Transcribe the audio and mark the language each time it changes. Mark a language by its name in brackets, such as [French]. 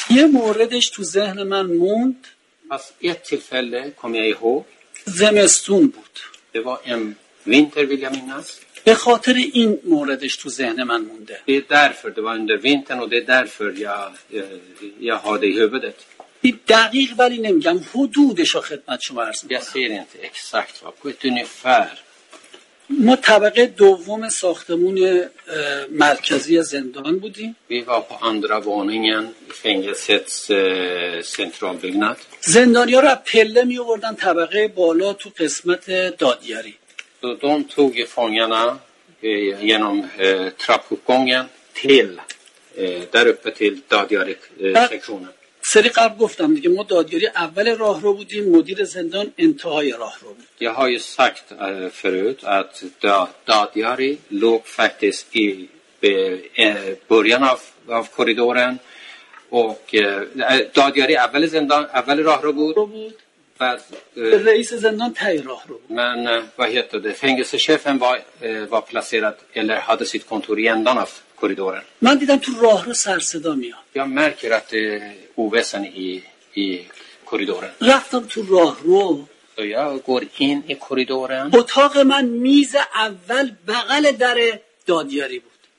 [Persian] Ye moredesh tu zehn man mond. [Swedish] Fast ett tillfälle kom jag ihåg. [Persian] Zemestun bud. [Swedish] Det var en vinter, vill jag minnas. [Persian] Be khater in moredesh tu zehn man monde. [Swedish] Det är därför, det var under vintern och det är därför jag har det i huvudet. [Persian] دقیق ولی نمیگم، حدودش را خدمت شما عرض میکنم. ما طبقه دوم ساختمون مرکزی زندان بودیم. [Swedish] Vi var på andra våningen i fängelsets centralbyggnad. [Persian] زندانی‌ها را پله می‌آوردن طبقه بالا تو قسمت دادیاری. [Swedish] De tog fångarna genom trappuppgången till där uppe till dadiari-sektionen. [Persian] سری قبل گفتم دیگه، ما دادگاری اول راه رو بودیم، مدیر زندان انتهای راه رو بود. [Swedish] Jag har ju sagt förut att dadgari låg faktiskt i början av korridoren och dadgari [Persian] اول زندان اول راه رو بود. رئیس زندان تای راه رو بود. [Swedish] Men vad heter det? Fängelsechefen var placerad eller hade sitt kontor i ändan av korridoren. [Persian] من دیدم تو راه رو سر صدا میاد. [Swedish] Jag märker att det oväsen i korridoren. [Persian] رفتم تو راه رو. [Swedish] Så jag går in i korridoren. [Persian] اتاق من میز اول بغل در دادیاری بود.